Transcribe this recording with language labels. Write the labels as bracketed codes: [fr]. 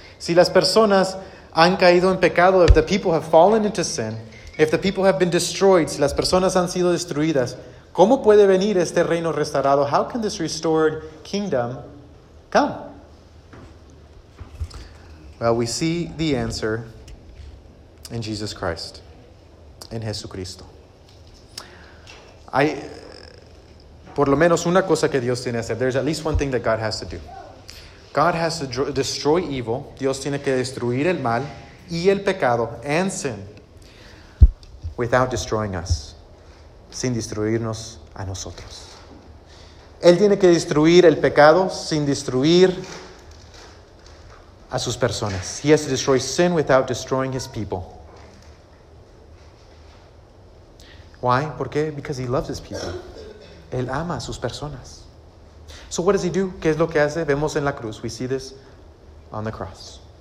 [es] Si las personas han caído en pecado, [en] if the people have fallen into sin, if the people have been destroyed, [es] si las personas han sido destruidas, ¿cómo puede venir este reino restaurado? [en] How can this restored kingdom come? Well, we see the answer in Jesus Christ, in Jesucristo. [es] Hay por lo menos una cosa que Dios tiene que hacer. [en] There's at least one thing that God has to do. God has to destroy evil. [es] Dios tiene que destruir el mal y el pecado [en] and sin without destroying us, [es] sin destruirnos a nosotros. Él tiene que destruir el pecado sin destruir a sus personas. [en] He has to destroy sin without destroying his people. Why? [es] ¿Por qué? [en] Because he loves his people. [es] Él ama a sus personas. [en] So what does he do? [es] ¿Qué es lo que hace? Vemos en la cruz. [en] We see this on the cross.